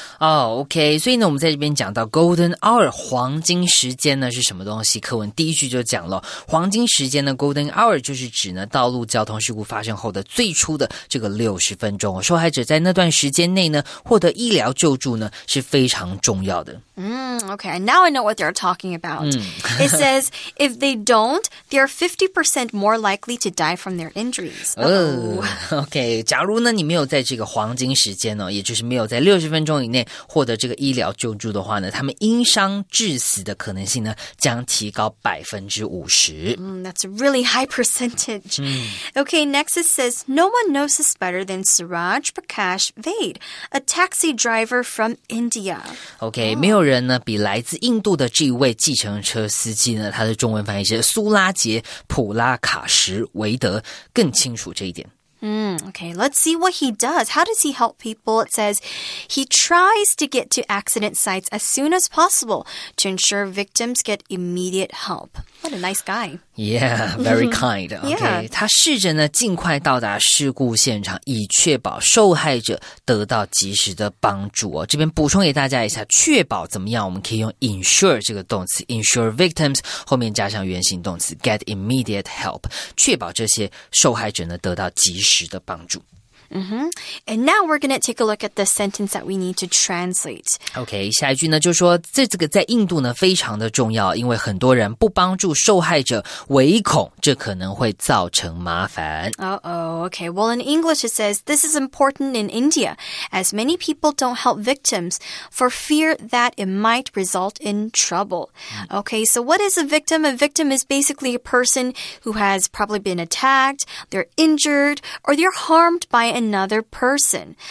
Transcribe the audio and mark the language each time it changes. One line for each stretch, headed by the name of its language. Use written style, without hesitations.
Chinese: Oh, okay, 所以呢我们在这边讲到
English: golden hour,
Chinese: 黄金时间呢是什么东西课文第一句就讲了黄金时间呢 golden hour 就是指呢道路交通事故发生后的最初的这个60分钟受害者在那段时间内呢获得医疗救助呢是非常重要的。
English: Okay, now I know what they're talking about. It says, if they don't, they're 50% more likely to die from their injuries.
Chinese: Okay, 假如呢你没有在这个黄金时间哦，也就是没有在60分钟以内获得这个医疗救助的话呢，他们因伤致死的可能性呢将提高 50%.
English: That's a really high percentage. Okay, next it says, no one knows this better than Suraj Prakash Vaid, a taxi driver from India.
Chinese: Okay, 没有人呢比来自印度的这一位计程车司机呢他的中文翻译是苏拉杰普拉卡什维德更清楚这一点
English: Okay, let's see what he does. How does he help people? It says he tries to get to accident sites as soon as possible to ensure victims get immediate help. What a nice guy. Yeah, very kind. Okay, yeah.
Chinese: 他试着呢尽快到达事故现场以确保受害者得到及时的帮助、哦、这边补充给大家一下确保怎么样我们可以用 ensure 这个动词
English: ensure victims
Chinese: 后面加上原形动词
English: get immediate help
Chinese: 确保这些受害者呢得到及时的帮助 Mm-hmm.
English: And now we're going to take a look at the sentence that we need to translate.
Chinese: Okay, 下一句呢就是说这个在印度呢非常的重要因为很多人不帮助受害者唯恐这可能会造成麻烦。 Uh-oh, okay.
English: Well, in English it says, this is important in India, as many people don't help victims for fear that it might result in trouble. Okay, so what is a victim? A victim is basically a person who has probably been attacked, they're injured, or they're harmed by another person.